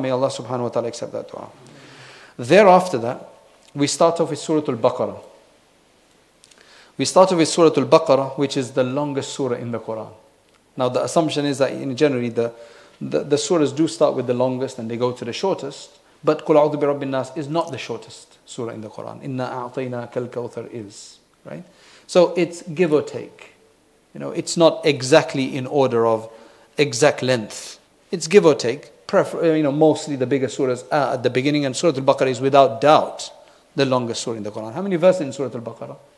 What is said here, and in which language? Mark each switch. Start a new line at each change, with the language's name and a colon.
English: May Allah subhanahu wa ta'ala accept that dua. Thereafter that, we start off with Surah Al-Baqarah. We start off with Surah Al-Baqarah, which is the longest surah in the Quran. Now the assumption is that in generally the surahs do start with the longest and they go to the shortest, but
Arabic: قُلْ أَعُوذُ بِرَبِّ النَّاسِ
English: is not the shortest surah in the Quran.
Arabic: إِنَّا أَعْطَيْنَا كَالْكَوْثَرِ is.
English: Right? So it's give or take. You know, it's not exactly in order of exact length. It's give or take. Mostly the bigger surahs are at the beginning, and Surah Al-Baqarah is without doubt the longest surah in the Quran. How many verses in Surah Al-Baqarah?